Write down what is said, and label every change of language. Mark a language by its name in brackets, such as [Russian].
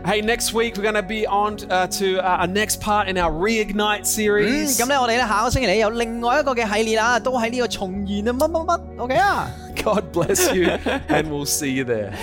[English] Hey, next week we're going to be on to a next part in our reignite series. [Cantonese] 咁咧我哋咧下个星期咧有另外一个嘅系列啦，都喺呢个重燃啊乜 ，OK 啊。 [English] God bless you, and we'll see you there.